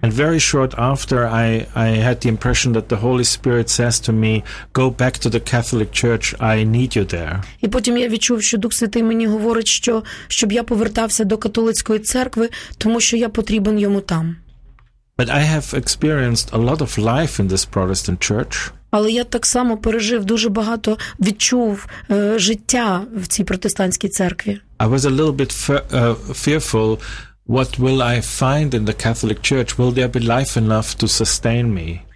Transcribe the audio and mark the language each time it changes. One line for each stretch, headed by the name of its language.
English: And very short after, I had the impression that the Holy Spirit says to me, go back to the Catholic Church, I need you there.
Ukrainian: І потім я відчув, що Дух Святий мені говорить, що щоб я повертався до католицької церкви, тому що я потрібен йому там.
English: But I have experienced a lot of life in this Protestant church.
Ukrainian: Але я так само пережив дуже багато, відчув життя в цій протестантській церкві.
English: I was a little bit fearful, what will I find in the Catholic church? Will there be life enough to sustain me?